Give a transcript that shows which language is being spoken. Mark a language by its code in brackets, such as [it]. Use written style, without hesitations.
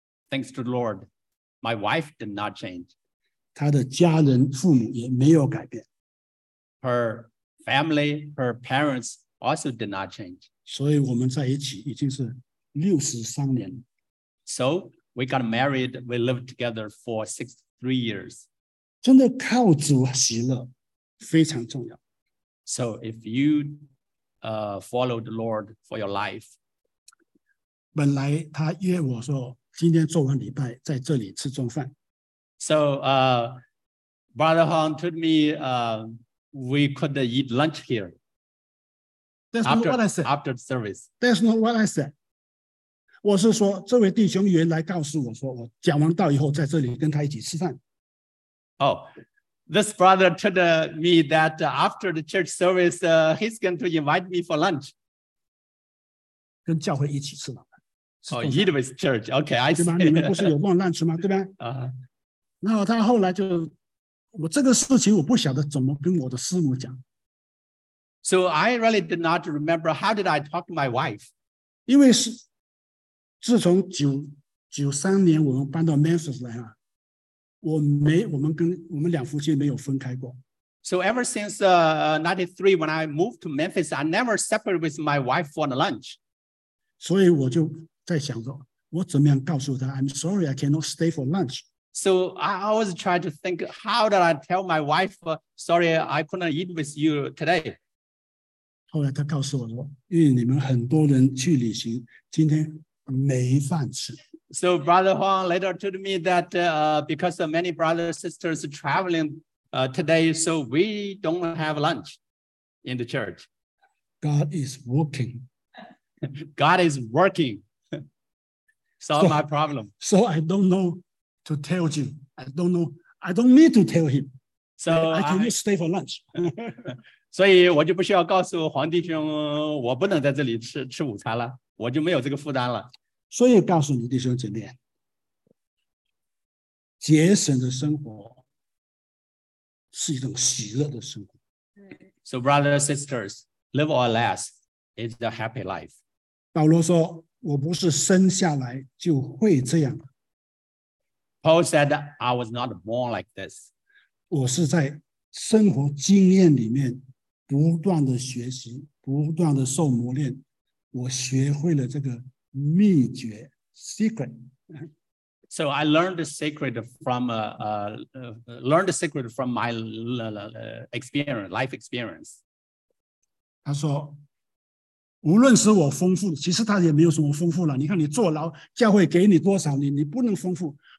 [en] Thanks to the Lord, my wife did not change. [zh] 她的家人、父母也没有改变。 [en] Her family, her parents also did not change. [zh] 所以我们在一起已经是63年。 [en] So we got married, we lived together for 63 years. [zh] 真的靠主喜乐非常重要。 [en] So if you follow the Lord for your life. [zh] 本来他约我说今天做完礼拜在这里吃中饭。 [en] So Brother Hong told me, we could eat lunch here. That's not what I said. After the service. That's not what I said. [zh] 我是说这位弟兄原来告诉我说我讲完道以后在这里跟他一起吃饭。 [en] Oh, this brother told me that after the church service, he's going to invite me for lunch. [zh] 跟教会一起吃了。 [en] Oh, eat with church. Okay, I see. [zh] 你们不是有忘 lunch 吗？对吧？然后他后来就我这个事情我不晓得怎么跟我的师母讲。 [en] So I really did not remember how did I talk to my wife. [zh] 因为是自从93年我们搬到 Memphis 来了，我们两夫妻没有分开过。 [en] So ever since 93 when I moved to Memphis, I never separated with my wife for lunch. [zh] 所以我就在想着我怎么样告诉她 [en] I'm sorry, I cannot stay for lunch. So I always try to think, how did I tell my wife, sorry, I couldn't eat with you today? [zh] 后来他告诉我说，因为你们很多人去旅行，今天没饭吃。 [en] So Brother Huang later told me that because of many brothers and sisters traveling today, so we don't have lunch in the church. God is working. God is working. Solve my problem. So I don't know. To tell you, I don't know. I don't need to tell him. So I cannot stay for lunch. [zh] 所以我就不需要告诉黄弟兄，我不能在这里吃午餐了，我就没有这个负担了。所以告诉你弟兄姐妹，节省的生活是一种喜乐的生活。 [en] So brothers, sisters, live or less is the happy life. [zh] 保罗说，我不是生下来就会这样。 [en] Paul said, I was not born like this. [zh] 我是在生活经验里面不断的学习，不断的受磨练，我学会了这个秘诀 secret. [en] So I learned the secret from learned the secret from my experience, life experience. [zh] 他说，无论是我丰富，其实他也没有什么丰富了。你看，你坐牢，教会给你多少，你不能丰富。